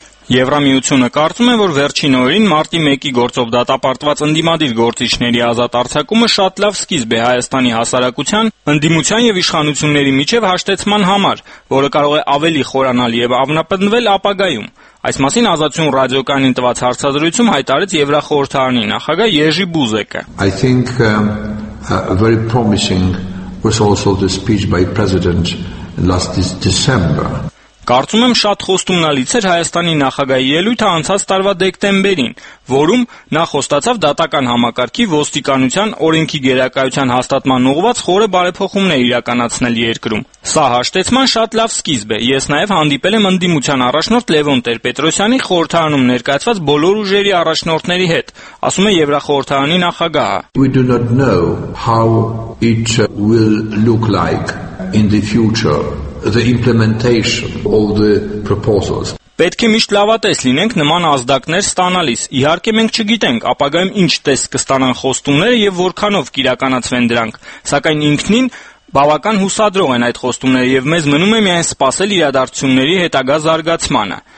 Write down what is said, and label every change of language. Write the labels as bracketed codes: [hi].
[hy] Եվրամիությունը կարծում է, որ վերջին օրերին մարտի 1-ի գործով դատապարտված ընդդիմադիր գործիչների ազատ արձակումը շատ լավ սկիզբ է Հայաստանի հասարակության, ընդդիմության եւ իշխանությունների միջև հաշտեցման համար, որը կարող է ավելի խորանալ եւ ավնապնդվել ապագայում։ Այս մասին Ազատություն ռադիոկայանին տված հարցազրույցում հայտարարեց Եվրախորհրդարանի նախագահ Յերժի Բուզեկը։ [en] I think very promising was also the speech by President last December. [hy] Կարծում եմ շատ խոստումնալից էր Հայաստանի նախագահի ելույթը անցած տարվա դեկտեմբերին, որում նա խոստացավ դատական համակարգի ոստիկանության օրենքի գերակայության հաստատման ուղղված խորը բարեփոխումներ իրականացնել երկրում։ Սա հաշտեցման շատ լավ սկիզբ է։ Ես նաև հանդիպել եմ ընդդիմության առաջնորդ Լևոն Տեր-Պետրոսյանի խորհրդարանում ներկայացված բոլոր ուժերի առաջնորդների հետ, ասում է Եվրախորհրդարանի նախագահը։ [en] We do not know how it will look like in the future. The implementation of the proposals. [hy] Պետք է միշտ լավատես լինենք նման ազդակներ ստանալիս։ Իհարկե մենք չգիտենք, ապագայում ինչ տեսք կստանան խոստումները եւ որքանով կիրականացվեն դրանք, սակայն ինքնին բավական հուսադրող են այդ խոստումները եւ մեզ մնում է միայն սպասել իրադարձությունների հետագա զարգացմանը։